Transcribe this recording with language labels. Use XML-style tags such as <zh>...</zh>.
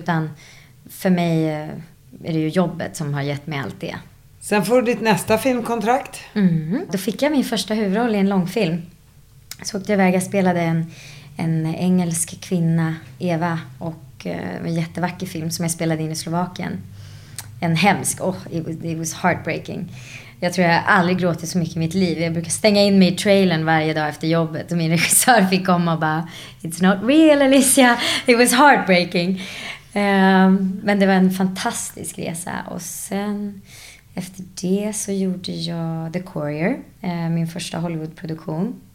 <sv>Utan för mig är det ju jobbet som har gett mig allt det. Sen får du ditt nästa filmkontrakt. Mm. Då fick jag min första huvudroll i en långfilm. Så åkte jag iväg och spelade en engelsk kvinna, Eva. Och en jättevacker film som jag spelade in i Slovakien. En hemsk,</sv> <en>it was heartbreaking.</en> <sv>Jag tror jag aldrig gråtit så mycket i mitt liv. Jag brukar stänga in mig i trailern varje dag efter jobbet. Och min regissör fick komma och bara,</sv> <en>it's not real Alicia, it was heartbreaking.</en> <sv>Men det var en fantastisk resa. Och sen, efter det så gjorde jag The Courier, min första Hollywood-produktion.</sv>